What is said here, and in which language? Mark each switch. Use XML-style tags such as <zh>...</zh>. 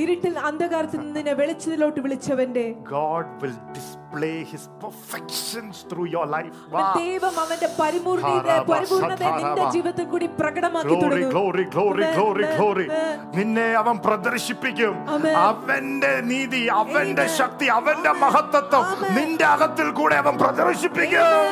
<ml>ഇരുട്ടിൽ അന്ധകാരത്തിന്നെ വെളിച്ചത്തിലോട്ട് വിളിച്ചവന്റെ.</ml> <en>God will display his perfections through your life.</en> <ml>ദൈവം അവന്റെ പരിപൂർണതയെ നിന്റെ ജീവിതത്തിൽ കൂടി പ്രകടമാക്കി തുടങ്ങും.</ml> <en>Glory, glory, glory, glory, glory.</en> <ml>നിന്നെ അവൻ പ്രദർശിപ്പിക്കും. അവന്റെ നീതി, അവന്റെ ശക്തി, അവന്റെ മഹത്വം നിന്റെ അകത്തിൽ കൂടെ അവൻ പ്രദർശിപ്പിക്കും.</ml>